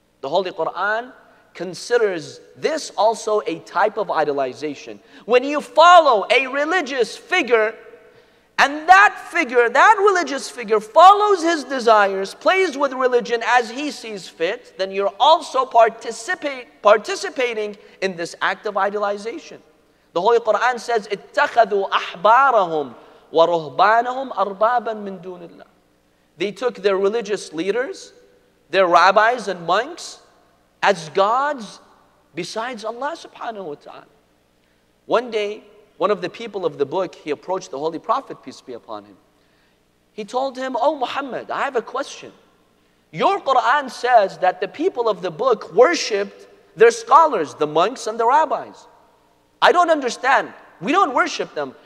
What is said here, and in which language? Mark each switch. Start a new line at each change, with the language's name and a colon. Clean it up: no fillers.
English: The Holy Quran considers this also a type of idolization. When you follow a religious figure, and that figure, that religious figure, follows his desires, plays with religion as he sees fit, then you're also participating in this act of idolization. The Holy Quran says,
Arabic: اتخذوا أحبارهم ورهبانهم أربابا من دون الله.
English: They took their religious leaders, their rabbis and monks, as gods besides Allah subhanahu wa ta'ala. One day, one of the people of the book, he approached the Holy Prophet, peace be upon him. He told him, "Oh Muhammad, I have a question. Your Quran says that the people of the book worshipped their scholars, the monks and the rabbis. I don't understand. We don't worship them.